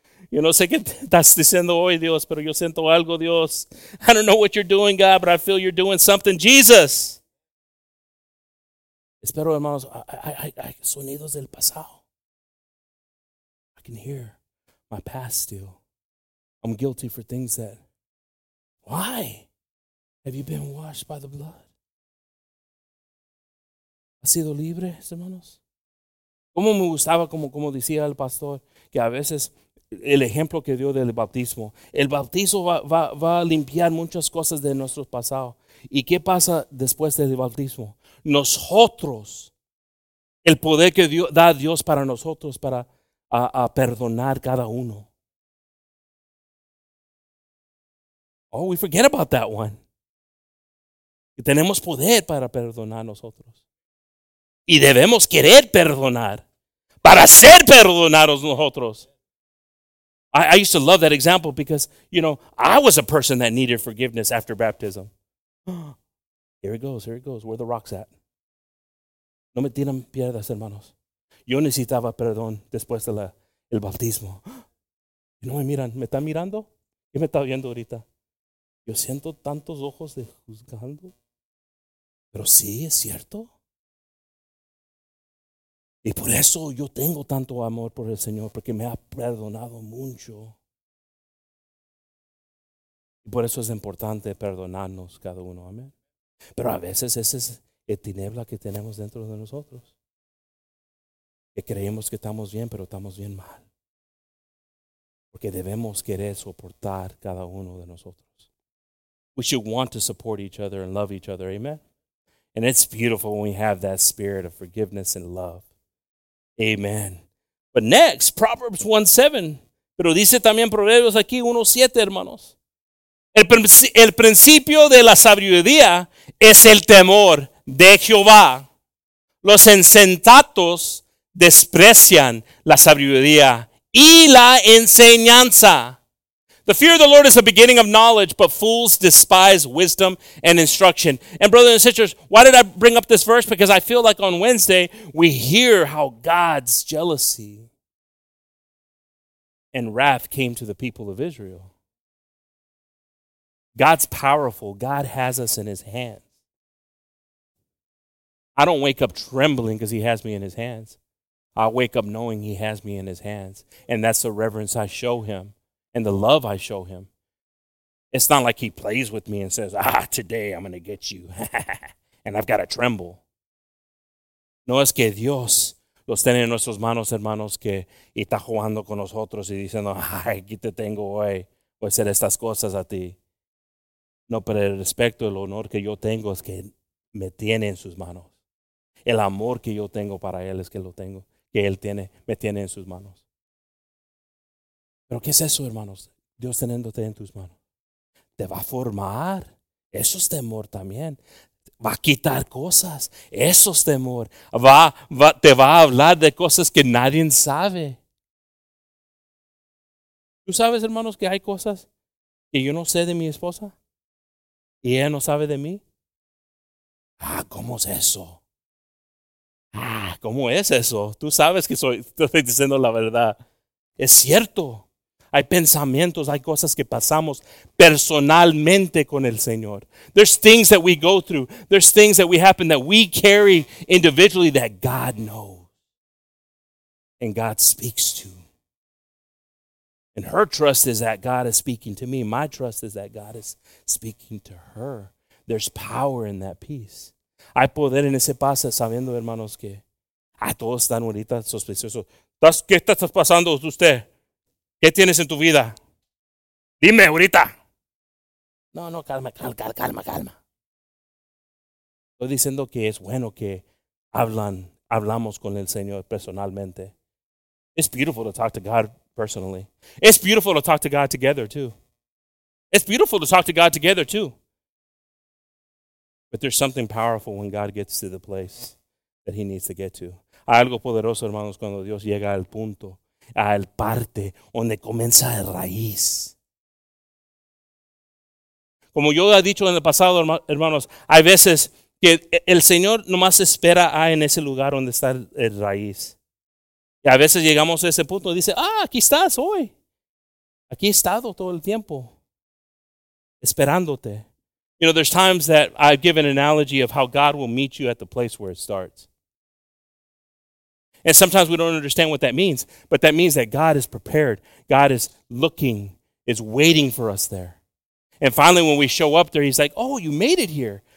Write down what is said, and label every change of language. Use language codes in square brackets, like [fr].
[es] Yo no sé qué estás diciendo hoy, Dios, pero yo siento algo, Dios. [en] I don't know what you're doing, God, but I feel you're doing something. Jesus. [es] Espero, hermanos, hay sonidos del pasado. [en] I can hear my past still. I'm guilty for things that, why have you been washed by the blood? [es] ¿Has sido libre, hermanos? ¿Cómo me gustaba, como decía el pastor, que a veces el ejemplo que dio del bautismo, el bautismo va a limpiar muchas cosas de nuestro pasado. ¿Y qué pasa después del bautismo? Nosotros, el poder que Dios, da Dios para nosotros para a perdonar cada uno. [en] Oh, we forget about that one. [es] Que tenemos poder para perdonar nosotros. Y debemos querer perdonar para ser perdonados nosotros. [en] I used to love that example because, you know, I was a person that needed forgiveness after baptism. Here it goes. Where are the rocks at? [es] No me tiran piedras, hermanos. Yo necesitaba perdón después de el bautismo. No me miran. ¿Me están mirando? ¿Qué me está viendo ahorita? Yo siento tantos ojos de juzgando. Pero sí, es cierto. Y por eso yo tengo tanto amor por el Señor, porque me ha perdonado mucho. Y por eso es importante perdonarnos cada uno. Amén. Pero a veces esa es la tiniebla que tenemos dentro de nosotros. Que creemos que estamos bien, pero estamos bien mal. Porque debemos querer soportar cada uno de nosotros. [en] We should want to support each other and love each other. Amen. And it's beautiful when we have that spirit of forgiveness and love. Amen. But next, Proverbs 1:7. [es] Pero dice también Proverbios aquí 1:7, hermanos. El principio de la sabiduría es el temor de Jehová. Los insensatos desprecian la sabiduría y la enseñanza. [en] The fear of the Lord is the beginning of knowledge, but fools despise wisdom and instruction. And brothers and sisters, why did I bring up this verse? Because I feel like on Wednesday, we hear how God's jealousy and wrath came to the people of Israel. God's powerful. God has us in his hands. I don't wake up trembling because he has me in his hands. I wake up knowing he has me in his hands. And that's the reverence I show him. And the love I show him. It's not like he plays with me and says, ah, today I'm going to get you. And I've got to tremble. [es] No es que Dios los tiene en nuestras manos, hermanos, que está jugando con nosotros y diciendo, ay, aquí te tengo hoy. Voy a hacer estas cosas a ti. No, pero el respeto, el honor que yo tengo es que me tiene en sus manos. El amor que yo tengo para él es que lo tengo, que él tiene, me tiene en sus manos. ¿Pero qué es eso, hermanos? Dios teniéndote en tus manos. Te va a formar Eso es temor también. Va a quitar cosas. Eso es temor. Te va a hablar de cosas que nadie sabe. ¿Tú sabes, hermanos, que hay cosas que yo no sé de mi esposa? ¿Y ella no sabe de mí? Ah, ¿cómo es eso? Ah, ¿cómo es eso? Tú sabes que estoy diciendo la verdad. Es cierto. Hay pensamientos, hay cosas que pasamos personalmente con el Señor. [en] There's things that we go through. There's things that we happen that we carry individually that God knows. And God speaks to. And her trust is that God is speaking to me. My trust is that God is speaking to her. There's power in that peace. [es] Hay poder en ese paz sabiendo, hermanos, que a todos están ahorita sospechosos. ¿Qué está pasando usted? ¿Qué tienes en tu vida? Dime ahorita. No, calma. Estoy diciendo que es bueno que hablamos con el Señor personalmente. [en] It's beautiful to talk to God personally. It's beautiful to talk to God together too. It's beautiful to talk to God together too. But there's something powerful when God gets to the place that he needs to get to. [es] Hay algo poderoso, hermanos, cuando Dios llega al punto, al parte donde comienza la raíz. Como yo he dicho en el pasado, hermanos, hay veces que el Señor nomás espera en ese lugar donde está el raíz. Y a veces llegamos a ese punto y dice, aquí estás hoy. Aquí he estado todo el tiempo, esperándote. [en] You know, there's times that I give an analogy of how God will meet you at the place where it starts. And sometimes we don't understand what that means, but that means that God is prepared. God is looking, is waiting for us there. And finally, when we show up there, he's like, oh, you made it here.